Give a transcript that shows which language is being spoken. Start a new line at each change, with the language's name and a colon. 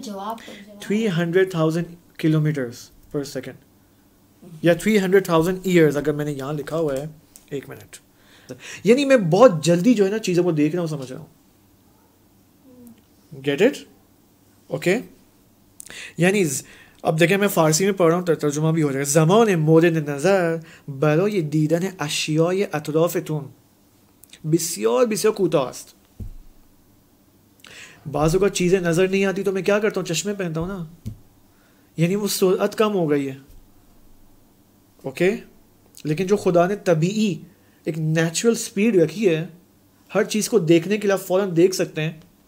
Urdu: جواب 300,000 کلو metre per second, یا 300,000 years اگر میں نے یہاں لکھا ہوا ہے. ایک منٹ، یعنی میں بہت جلدی جو ہے نا چیزوں کو دیکھ رہا ہوں، سمجھ رہا ہوں.
English: Get it?
Urdu: اوکے، یعنی اب دیکھیں، میں فارسی میں پڑھ رہا ہوں، ترجمہ بھی ہو جائے گا.
Persian: زمان مورد نظر برای دیدن اشیاء اطرافتون بسیار بسیار کوتاہ است.
Urdu: بعض اوقات چیزیں نظر نہیں آتی تو میں کیا کرتا ہوں؟ چشمے پہنتا ہوں نا، یعنی وہ سرعت کم ہو گئی ہے. اوکے، لیکن جو خدا نے طبیعی ایک
English: natural speed
Urdu: رکھی ہے ہر چیز کو دیکھنے کے لیے، آپ فوراً دیکھ سکتے ہیں.